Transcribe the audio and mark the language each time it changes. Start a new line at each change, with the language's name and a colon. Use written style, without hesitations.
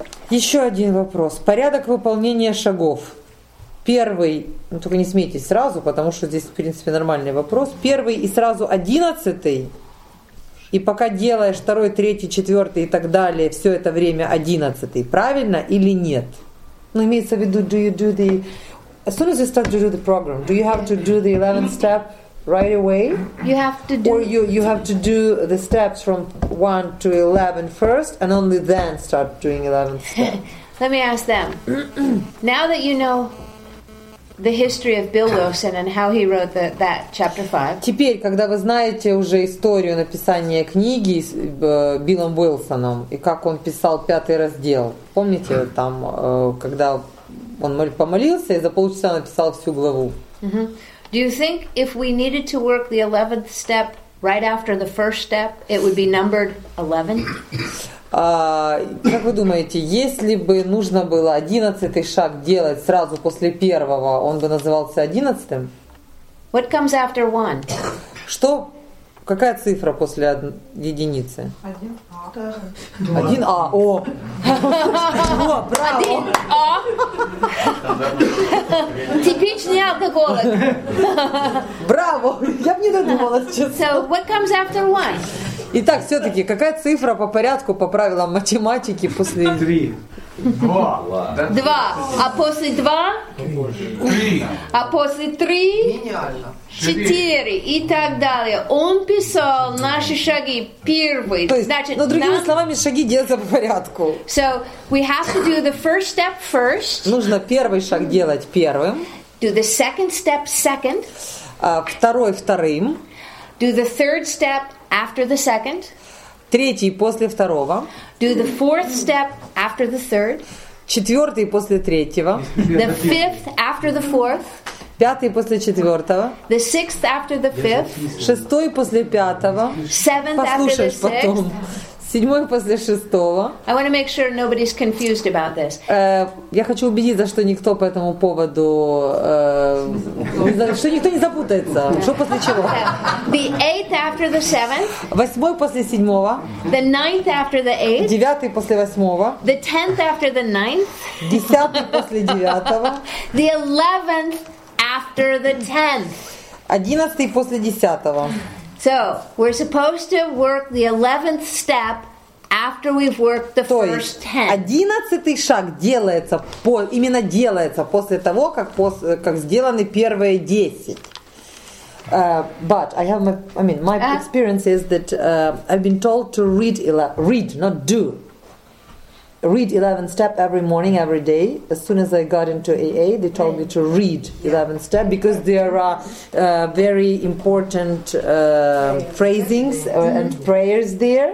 Russian: Еще один вопрос. Порядок выполнения шагов. Первый, ну только не смейтесь сразу, потому что здесь, в принципе, нормальный вопрос. Первый и сразу одиннадцатый. И пока делаешь второй, третий, четвертый и так далее, все это время одиннадцатый. Правильно или нет? Ну, имеется в виду,
English: do you do the... As soon as you start to do the program, do you have to do the 11th step right away? You have to do... Or you have to do the steps from 1 to 11 first and only then start doing 11th step. Let me ask them. Now that you know the history of Bill Wilson and how he wrote that chapter 5.
Russian: Теперь, когда вы знаете уже историю написания книги с Биллом Уилсоном и как он писал пятый раздел. Помните, там, когда он помолился и за полчаса написал всю главу.
English: Do you think if we needed to work the 11th step right after the first step, it would be numbered 11?
Russian: Как вы думаете, если бы нужно было 11-й шаг делать сразу после первого, он бы назывался 11-м?
English: What comes after one?
Russian: Что? Какая цифра после единицы? 1А. 1А. О! Браво! 1А. Типичный алкоголик. Браво! Я бы не додумалась, честно.
English: So, what comes after one?
Russian: Итак, все-таки, какая цифра по порядку, по правилам математики после... 3. 2. А после 2? 3. А после 3? 4. И так далее. Он писал наши шаги первые. То есть, значит, но другими словами, шаги делаются по порядку.
English: So, we have to do the first step first.
Russian: Нужно первый шаг делать первым.
English: Do the second step second.
Russian: Второй вторым.
English: Do the third step after the second.
Russian: Третий после второго.
English: Do the fourth step after the third.
Russian: Четвертый после третьего.
English: The fifth after the fourth.
Russian: Пятый после четвертого.
English: The sixth after the fifth.
Russian: Шестой после пятого.
English: Seventh after the sixth.
Russian: Послушай потом. Седьмой после шестого.
English: I want to make sure nobody's confused about this.
Russian: Я хочу убедиться, что никто по этому поводу, что никто не запутается. Что после чего? Okay.
English: The eighth after the seventh.
Russian: Восьмой после седьмого.
English: The ninth after the eighth.
Russian: Девятый после восьмого.
English: The tenth after the ninth.
Russian: Десятый после девятого.
English: The eleventh after the tenth.
Russian: Одиннадцатый после десятого.
English: So, we're supposed to work the 11th step after we've worked the first 10.
Russian: 11-й шаг делается именно делается после того, как сделаны первые 10.
English: But I have my experience is that I've been told to read 11th step every morning, every day. As soon as I got into AA, they told me to read 11th step because there are very important phrasings and prayers there.